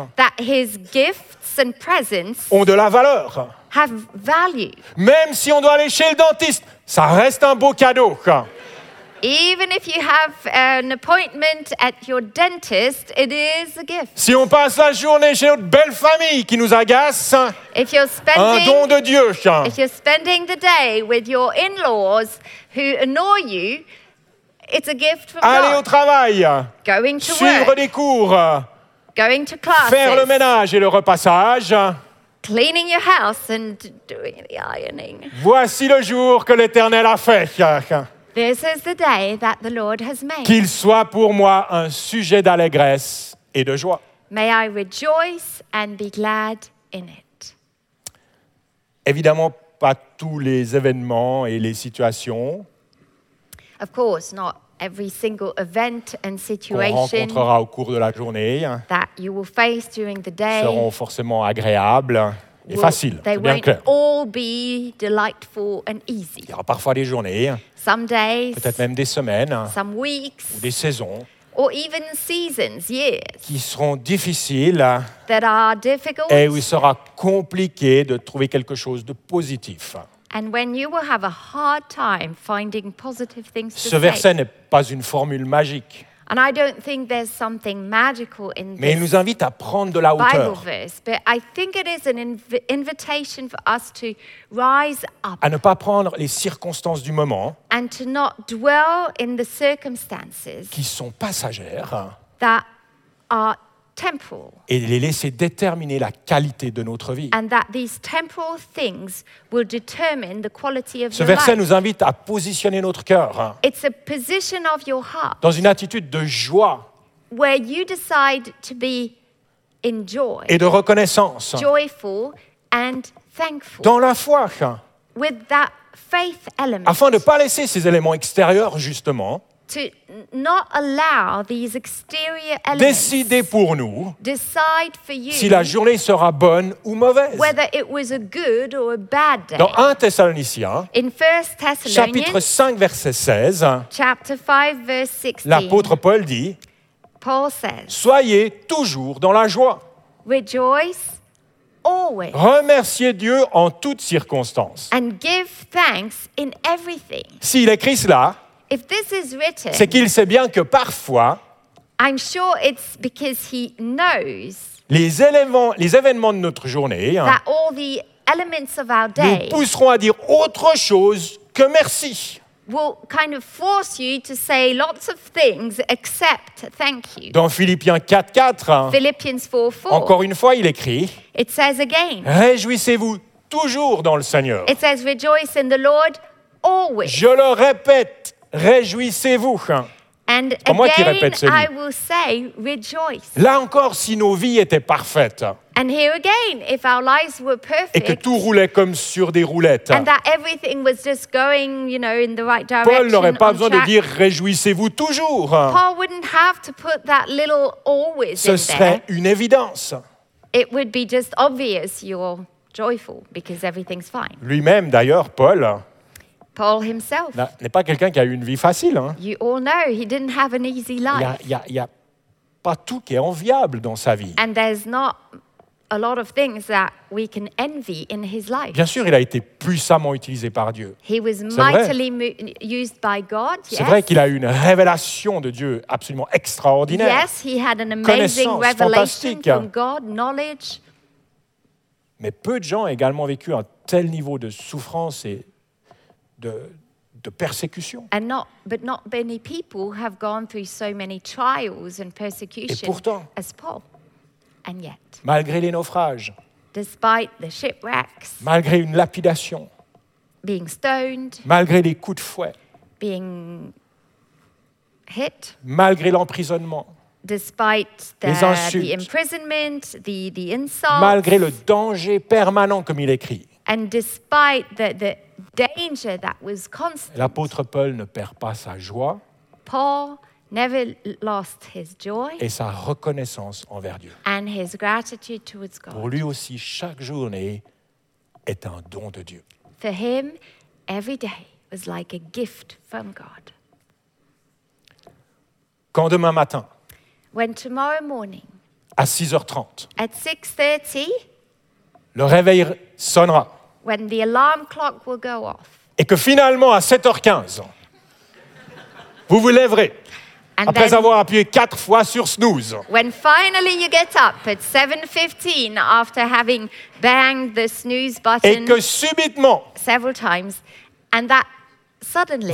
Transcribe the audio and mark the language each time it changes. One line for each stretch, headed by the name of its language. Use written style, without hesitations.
English: that his gifts and presents
French: ont de la valeur,
English: have value.
French: Même si on doit aller chez le dentiste, ça reste un beau cadeau.
English: Even if you have an appointment at your dentist, it is a gift.
French: Si on passe la journée chez notre belle famille qui nous agace,
English: if you're spending,
French: un don de Dieu.
English: If you're spending the day with your in-laws who annoy you, it's a gift from
French: aller
English: God.
French: Aller au travail.
English: Going to
French: suivre
English: work.
French: Suivre des cours.
English: Going to classes.
French: Faire le ménage et le repassage.
English: Cleaning your house and doing the ironing.
French: Voici le jour que l'Éternel a fait.
English: This is the day that the Lord has made.
French: Qu'il soit pour moi un sujet d'allégresse et de joie.
English: May I rejoice and be glad in it.
French: Évidemment, pas tous les événements et les situations.
English: Of course, not every single event and situation
French: qu'on rencontrera au cours de la journée
English: that you will face during the day
French: seront forcément agréables. Et facile,
English: they
French: c'est bien
English: won't
French: clair.
English: All be delightful and easy.
French: Il y aura parfois des journées,
English: some days,
French: peut-être même des semaines,
English: some weeks,
French: ou des saisons,
English: or even seasons, years,
French: qui seront difficiles,
English: that are difficult,
French: et où il sera compliqué de trouver quelque chose de positif.
English: And when you will have a hard time finding positive things to say.
French: Ce verset n'est pas une formule magique.
English: And I don't think there's something magical in this.
French: Mais il nous invite à prendre de la hauteur.
English: Bible verse, but I think it is an invitation for us to rise up.
French: À ne pas prendre les circonstances du moment.
English: And to not dwell in the circumstances.
French: Qui sont passagères.
English: That are temporal.
French: Et les laisser déterminer la qualité de notre vie.
English: And that these temporal things will determine the quality of
French: ce
English: your life.
French: Ce verset
English: life.
French: Nous invite à positionner notre cœur.
English: It's a position of your heart.
French: Dans une attitude de joie.
English: Where you decide to be in joy.
French: Et de reconnaissance.
English: Joyful and thankful.
French: Dans la foi.
English: With that faith element.
French: Afin de ne pas laisser ces éléments extérieurs justement.
English: To not allow these exterior elements.
French: Décider pour nous.
English: Decide for you.
French: Si la journée sera bonne ou mauvaise.
English: Whether it was a good or a bad day.
French: Dans 1 Thessaloniciens.
English: In 1 Thessalonians.
French: Chapitre 5 verset 16.
English: Chapter 5 verse 16.
French: L'apôtre Paul dit.
English: Paul says.
French: Soyez toujours dans la joie.
English: Rejoice always.
French: Remerciez Dieu en toutes circonstances.
English: And give thanks in everything.
French: S'il écrit cela.
English: If this is written,
French: c'est qu'il sait bien que parfois,
English: I'm sure it's because he knows
French: les événements de notre journée
English: that all the elements of our day
French: nous pousseront à dire autre chose que merci.
English: Will kind of force you to say lots of things except thank you.
French: Dans Philippiens 4:4,
English: Philippians 4:4,
French: encore une fois, il écrit,
English: it says again,
French: réjouissez-vous toujours dans le Seigneur.
English: It says rejoice in the Lord always.
French: Je le répète. Réjouissez-vous.
English: And
French: c'est moi qui répète celui.
English: I will say, rejoice.
French: Là encore, si nos vies étaient parfaites.
English: And here again, if our lives were perfect.
French: Et que tout roulait comme sur des roulettes.
English: And that everything was just going, you know, in the right direction.
French: Paul n'aurait pas besoin track, de dire réjouissez-vous toujours.
English: Paul wouldn't have to put that little always.
French: Ce
English: in
French: serait
English: there.
French: Une évidence.
English: It would be just obvious you're joyful because everything's fine.
French: Lui-même d'ailleurs, Paul.
English: Paul himself.
French: Là, n'est pas quelqu'un qui a eu une vie facile. Hein.
English: You all know he didn't have an easy life.
French: Il y a pas tout qui est enviable dans sa vie.
English: And there's not a lot of things that we can envy in his life.
French: Bien sûr, il a été puissamment utilisé par Dieu.
English: He was mightily used by God.
French: C'est vrai qu'il a eu une révélation de Dieu absolument extraordinaire.
English: Yes, he had an amazing revelation from God, knowledge.
French: Mais peu de gens ont également vécu un tel niveau de souffrance et de persécution.
English: And not, but not many people have gone through so many trials and persecution.
French: Et pourtant,
English: as Paul. And yet,
French: malgré les naufrages,
English: despite the shipwrecks,
French: malgré une lapidation,
English: being stoned,
French: malgré les coups de fouet,
English: being hit,
French: malgré l'emprisonnement,
English: despite
French: les insultes,
English: the imprisonment, the insults,
French: malgré le danger permanent, comme il écrit.
English: And despite the danger that was constant,
French: l'apôtre Paul ne perd pas sa joie,
English: Paul never lost his joy,
French: et sa reconnaissance envers Dieu.
English: And his gratitude towards God.
French: Pour lui aussi, chaque journée est un don de Dieu.
English: For him, every day was like a gift from God.
French: Quand demain matin,
English: when tomorrow morning,
French: à 6h30,
English: at 6:30,
French: le réveil sonnera,
English: when the alarm clock will go off,
French: et que finalement à 7h15, vous vous lèverez,
English: and
French: après
English: then,
French: avoir appuyé 4 fois sur snooze,
English: when finally you get up at 7:15 after having banged the snooze button,
French: et que subitement,
English: several times, and that suddenly,